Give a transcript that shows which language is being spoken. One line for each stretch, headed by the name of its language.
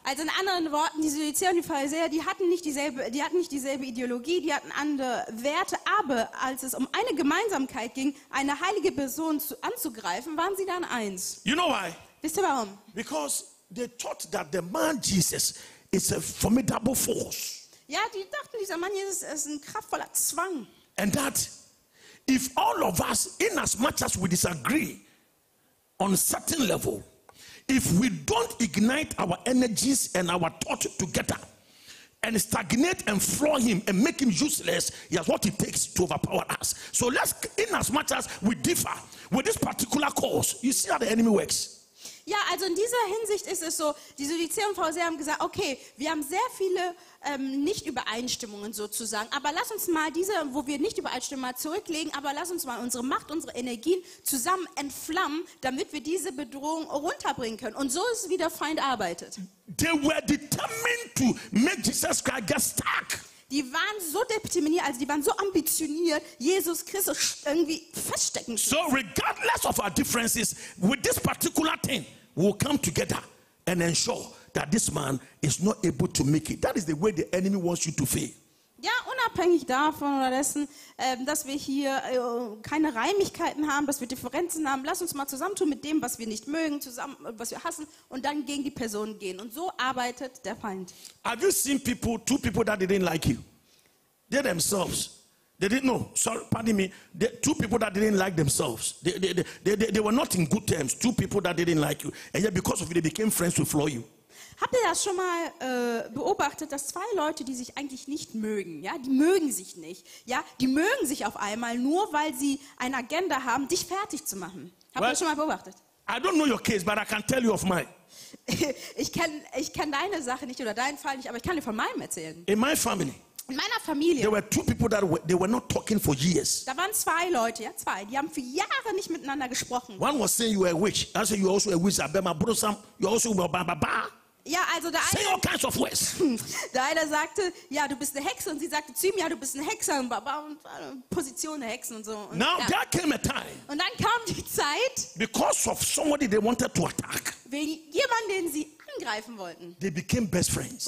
German: Also in anderen Worten, die Sadduzäer und die Pharisäer, die hatten nicht dieselbe Ideologie, die hatten andere Werte, aber als es um eine Gemeinsamkeit ging, eine heilige Person anzugreifen, waren sie dann eins.
English: You know why?
German: Wisst ihr warum?
English: Because they thought that the man Jesus is a formidable force.
German: Ja, die dachten, dieser Mann Jesus ist ein kraftvoller Zwang.
English: And that if all of us, in as much as we disagree on a certain level, if we don't ignite our energies and our thoughts together and stagnate and floor him and make him useless, he has what it takes to overpower us. So let's, in as much as we differ with this particular cause, you see how the enemy works.
German: Ja, also in dieser Hinsicht ist es so, die Sadduzäer und Pharisäer haben gesagt, okay, wir haben sehr viele Nicht-Übereinstimmungen sozusagen, aber lass uns mal diese, wo wir nicht übereinstimmen, mal zurücklegen, aber lass uns mal unsere Macht, unsere Energien zusammen entflammen, damit wir diese Bedrohung runterbringen können. Und so ist wie der Feind arbeitet.
English: They were determined to make Jesus Christ get stuck.
German: Die waren so determiniert, also die waren so ambitioniert, Jesus Christus irgendwie feststecken zu.
English: So regardless of our differences, with this particular thing, we'll come together and ensure that this man is not able to make it. That is the way the enemy wants you to fail.
German: Ja, unabhängig davon oder dessen, dass wir hier keine Reimigkeiten haben, dass wir Differenzen haben, lass uns mal zusammentun mit dem, was wir nicht mögen, zusammen, was wir hassen, und dann gegen die Person gehen. Und so arbeitet der Feind.
English: Have you seen people, two people that they didn't like you? They themselves, they didn't know, sorry, pardon me, they, two people that they didn't like themselves, they were not in good terms, two people that they didn't like you, and yet because of you, they became friends to floor you.
German: Habt ihr das schon mal beobachtet, dass zwei Leute, die sich eigentlich nicht mögen, ja, die mögen sich nicht, ja, die mögen sich auf einmal nur, weil sie eine Agenda haben, dich fertig zu machen. Habt ihr das schon mal beobachtet?
English: I don't know your case, but I can tell you of mine.
German: Ich kenne deine Sache nicht oder deinen Fall nicht, aber ich kann dir von meinem erzählen.
English: In my family.
German: In meiner Familie.
English: There were two people that were, they were not talking for years.
German: Da waren zwei Leute, ja, zwei, die haben für Jahre nicht miteinander gesprochen.
English: One was saying you were a witch. I said you also a wizard. But my brother Sam, you also a ba-ba-ba.
German: Ja, also der
English: say
German: eine,
English: all kinds of words.
German: Der eine sagte, ja, du bist eine Hexe, und sie sagte zu ihm, ja, du bist eine Hexe, und Baba und Position der Hexen und so. Und
English: now
German: ja.
English: There came a time.
German: Und dann kam die Zeit.
English: Because of somebody they wanted to attack.
German: Wegen jemanden, den sie angreifen wollten.
English: They became best friends.